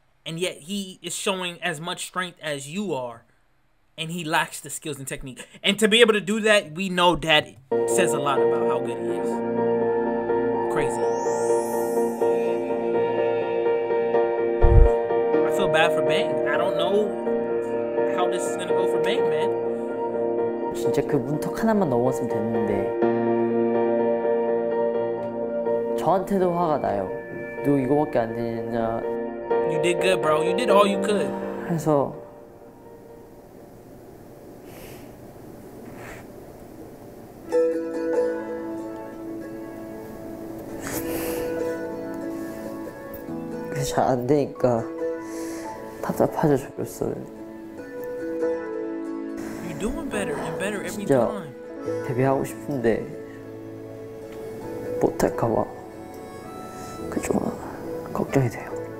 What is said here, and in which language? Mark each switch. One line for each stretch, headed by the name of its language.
English: And yet he is showing as much strength as you are, and he lacks the skills and technique. And to be able to do that, we know that says a lot about how good he is. Crazy. I feel bad for Bang. I don't know how this is gonna go for Bang, man.
Korean: 진짜 그 문턱 하나만 넘었으면 됐는데 저한테도 화가 나요. 너 이거밖에 안 되냐?
English: You did good, bro. You did all you could.
Korean: 그래서 그게 잘 안 되니까 답답하죠, 죽였어요.
English: You're doing better and better every time.
Korean: 진짜 데뷔하고 싶은데 못할까 봐 그 좀 걱정이 돼요.